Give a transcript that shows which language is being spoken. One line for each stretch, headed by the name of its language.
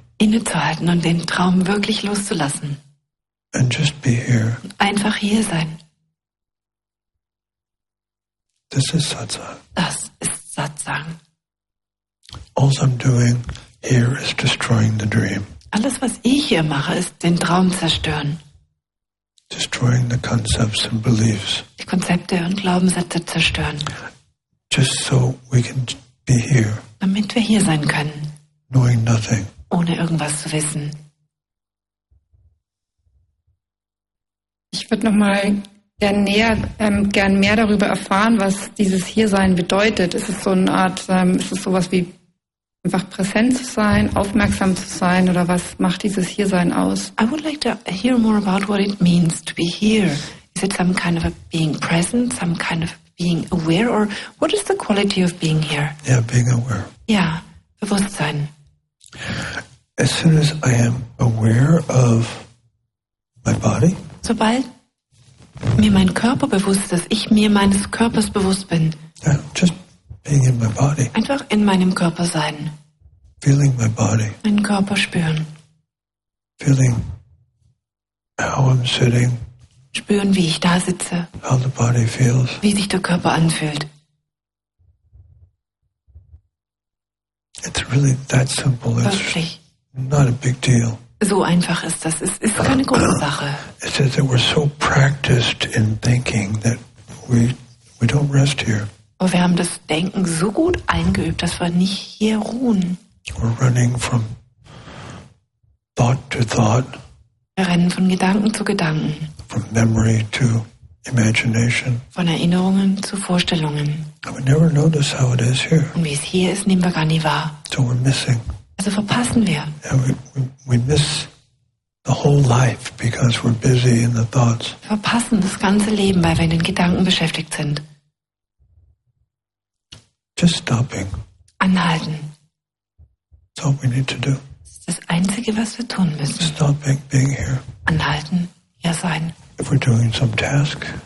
German: Innezuhalten und den Traum wirklich loszulassen.
English: And just be here.
German: Einfach hier sein.
English: This is satsang.
German: Das ist Satsang.
English: All I'm doing here is destroying the dream.
German: Alles, was ich hier mache, ist den Traum zerstören.
English: Destroying the concepts and beliefs.
German: Die Konzepte und Glaubenssätze zerstören.
English: Just so we can be here.
German: Damit wir hier sein können.
English: Knowing nothing.
German: Ohne irgendwas zu wissen. Ich würde noch mal gern mehr darüber erfahren, was dieses Hiersein bedeutet. Ist es so eine Art, ist es sowas wie einfach präsent zu sein, aufmerksam zu sein, oder was macht dieses Hiersein aus?
English: I would like to hear more about what it means to be here. Is it some kind of a being present, some kind of being aware, or what is the quality of being here? Yeah, being aware.
German: Yeah, Bewusstsein.
English: As soon as I am aware of my body.
German: Sobald mir mein Körper bewusst ist, ich mir meines Körpers bewusst bin.
English: Yeah, just being in my body.
German: Einfach in meinem Körper sein.
English: Feeling my body.
German: Meinen Körper spüren.
English: Feeling how I'm sitting.
German: Spüren, wie ich da sitze.
English: How the body feels.
German: Wie sich der Körper anfühlt.
English: It's really that simple.
German: Wirklich.
English: It's not a big deal.
German: So einfach ist das. Es ist keine große Sache.
English: It says that we're so practiced in thinking that we don't rest here.
German: Aber wir haben das Denken so gut eingeübt, dass wir nicht hier ruhen.
English: We're running from thought to thought.
German: Wir rennen von Gedanken zu Gedanken.
English: From memory to imagination.
German: Von Erinnerungen zu Vorstellungen.
English: And we never notice how it is here.
German: Und wie es hier ist, nehmen wir gar nie wahr.
English: So we're missing.
German: Also verpassen wir.
English: We miss the whole life because we're busy in the thoughts.
German: Wir verpassen das ganze Leben, weil wir in den Gedanken beschäftigt sind.
English: Just stopping.
German: Anhalten.
English: That's all we need to do.
German: Das ist das Einzige, was wir tun müssen.
English: Stopping, being here.
German: Anhalten, hier sein.
English: If we're doing some task.